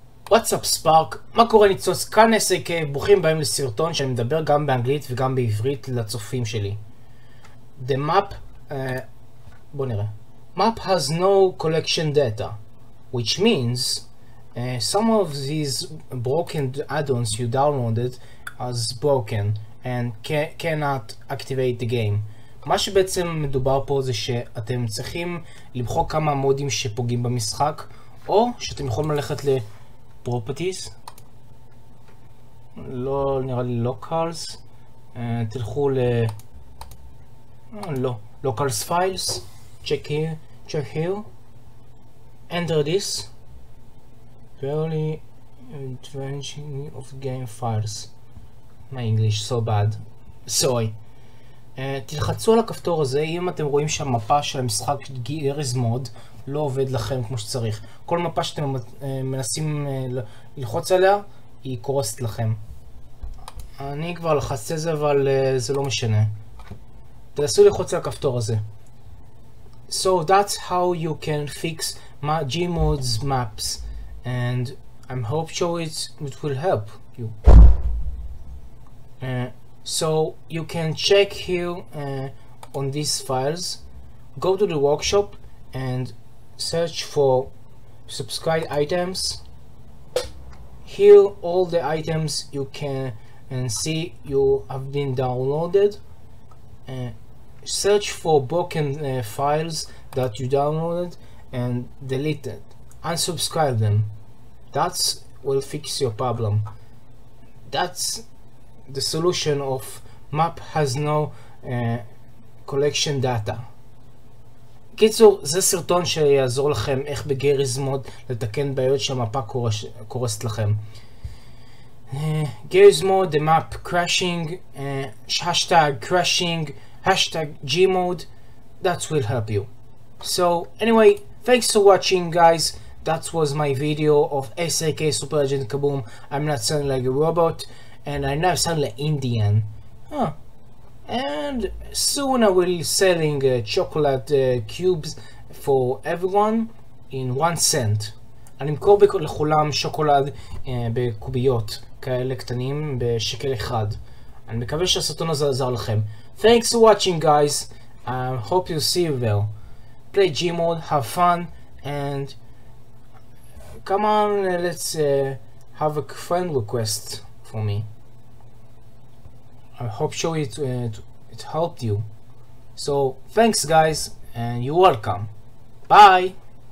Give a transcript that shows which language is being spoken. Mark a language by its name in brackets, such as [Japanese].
[Hebrew] וואטסאפ ספארק, מה קורה ניצוץ? כאן עסק, ברוכים באים לסרטון שאני מדבר גם באנגלית וגם בעברית לצופים שלי. [English] The map, [Hebrew] בוא נראה. [English] Map has no collection data, which means some of these broken add-ons you downloaded as broken and cannot activate the game. [Hebrew] מה שבעצם מדובר פה זה שאתם צריכים למחוק כמה מודים שפוגעים במשחק, או שאתם יכולים ללכת ל... Properties. לא, נראה לי locals. תלכו ל... לא. [English] Locals files. Check here. Check here. Enter this. Barely entrenching of game files. My English so bad. Sorry. [Hebrew] תלחצו על הכפתור הזה אם אתם רואים שהמפה של המשחק גריס מוד לא עובד לכם כמו שצריך. כל מפה שאתם מנסים ללחוץ עליה, היא קורסת לכם. אני כבר לחצתי זה, אבל זה לא משנה. תנסו ללחוץ על הכפתור הזה. [English] So that's how you can fix my Gmod's maps. And I'm hope so it will help you. So you can check here on these files. Go to the workshop and search for subscribe items. Here all the items you can and see you have been downloaded. Search for broken files that you downloaded and delete it. Unsubscribe them. That will fix your problem. That's the solution of map has no collection data. [Hebrew] קיצור, זה סרטון שיעזור לכם איך בגריס מוד לתקן בעיות שהמפה קורסת לכם. [English] גריס מוד, the map crashing, hashtag crashing, hashtag gmod, that will help you. So, anyway, thanks for watching guys, that was my video of SAK Super Agent Kaboom, I'm not sounding like a robot, and I now sound like Indian. And soon I will be selling chocolate cubes for everyone in 1 cent. [Hebrew] אני אמכור לכולם שוקולד בקוביות כאלה קטנים בשקל אחד. אני מקווה שהסרטון הזה עזר לכם. [English] Thanks for watching guys. I hope you see you well. Play Gmod, have fun, and come on, let's have a friend request for me. I hope show it it helped you. So, thanks guys and you're welcome. Bye.